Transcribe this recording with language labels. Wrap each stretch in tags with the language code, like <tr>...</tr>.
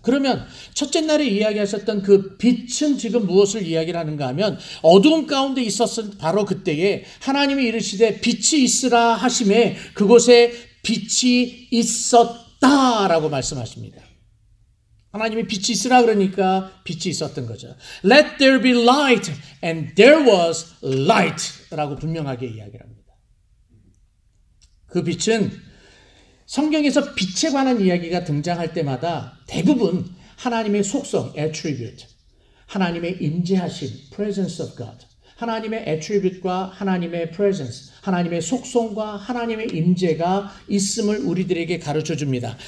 <ko>그러면 첫째 날에 이야기하셨던 그 빛은 지금 무엇을 이야기를 하는가 하면 어두운 가운데 있었을 바로 그때에 하나님이 이르시되 빛이 있으라 하심에 그곳에 빛이 있었다라고 말씀하십니다. 하나님이 빛이 있으라 그러니까 빛이 있었던 거죠.</ko> <en>Let there be light and there was light</en> <ko>라고 분명하게 이야기를 합니다. 그 빛은 성경에서 빛에 관한 이야기가 등장할 때마다 대부분 하나님의 속성, attribute, 하나님의 임재하심, presence of God, 하나님의 attribute과 하나님의 presence, 하나님의 속성과 하나님의 임재가 있음을 우리들에게 가르쳐줍니다.</ko>